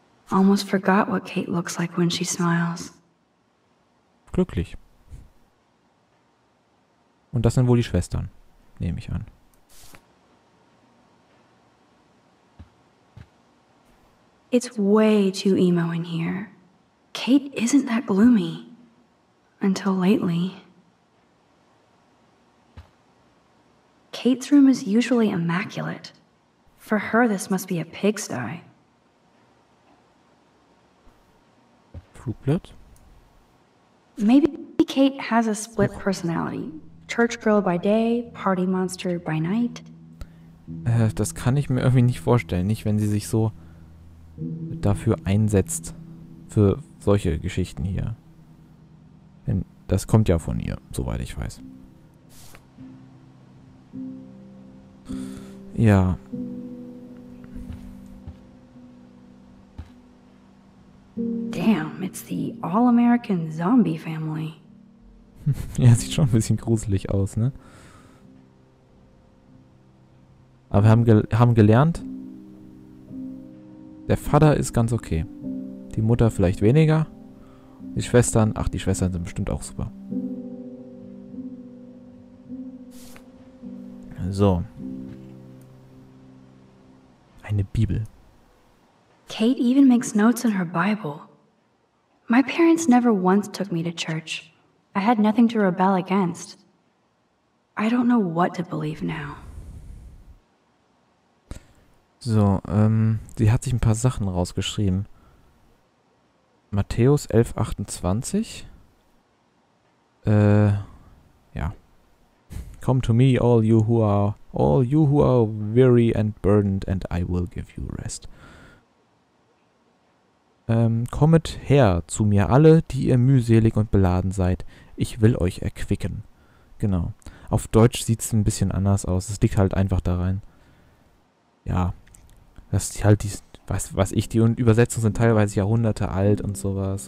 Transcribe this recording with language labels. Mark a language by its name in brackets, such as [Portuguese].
[English] Almost forgot what Kate looks like when she smiles. [German] Glücklich. Und das sind wohl die Schwestern, nehme ich an. [English] It's way too emo in here. Kate isn't that gloomy. Until lately. Kate's room is usually immaculate. For her, this must be a pigsty. [German] Flugblatt? [English] Maybe Kate has a split personality. Church girl by day, party monster by night. [German] Das kann ich mir irgendwie nicht vorstellen. Nicht, wenn sie sich so dafür einsetzt. Für solche Geschichten hier. Denn das kommt ja von ihr, soweit ich weiß. Ja. [English] Damn, it's the all-American zombie family. [German] Ja, sieht schon ein bisschen gruselig aus, ne? Aber wir haben gelernt, der Vater ist ganz okay. Die Mutter vielleicht weniger. Die Schwestern, ach, die Schwestern sind bestimmt auch super. So. Eine Bibel. [English] Kate even makes notes in her Bible. My parents never once took me to church. I had nothing to rebel against. I don't know what to believe now. [German] So, sie hat sich ein paar Sachen rausgeschrieben. Matthäus 11,28. Ja. [English] Come to me, all you who are weary and burdened, and I will give you rest. [German] Kommet her zu mir alle, die ihr mühselig und beladen seid. Ich will euch erquicken. Genau. Auf Deutsch sieht es ein bisschen anders aus. Es liegt halt einfach da rein. Ja. Das ist halt die, die Übersetzungen sind teilweise Jahrhunderte alt und sowas.